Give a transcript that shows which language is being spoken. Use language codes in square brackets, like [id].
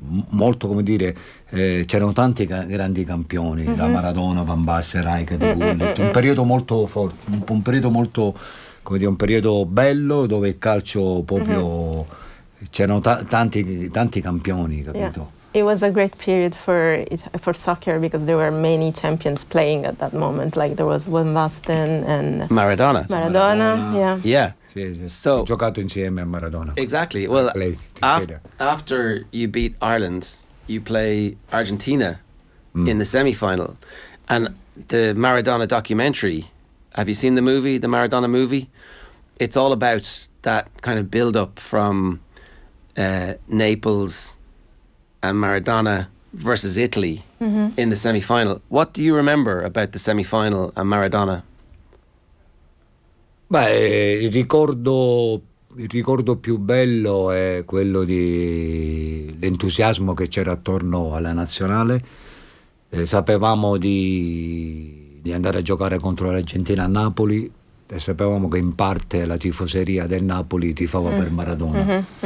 [it] molto, come dire, c'erano tanti grandi campioni, da Maradona, Van Basten, Rijkaard, Gullit, un periodo molto forte, un periodo molto, come dire, un periodo bello dove il calcio proprio, c'erano tanti campioni, capito? [en] Yeah. It was a great period for soccer because there were many champions playing at that moment, like there was Van Basten and... Maradona. Yeah. Yeah. [it] So, giocato insieme a Maradona. [en] Exactly. Well, after you beat Ireland, you play Argentina in the semi-final. And the Maradona documentary, have you seen the movie, the Maradona movie? It's all about that kind of build-up from Naples and Maradona versus Italy in the semi-final. What do you remember about the semi-final and Maradona? [it] Beh, il ricordo più bello è quello di l'entusiasmo che c'era attorno alla nazionale. Sapevamo di andare a giocare contro l'Argentina a Napoli e sapevamo che in parte la tifoseria del Napoli tifava per Maradona.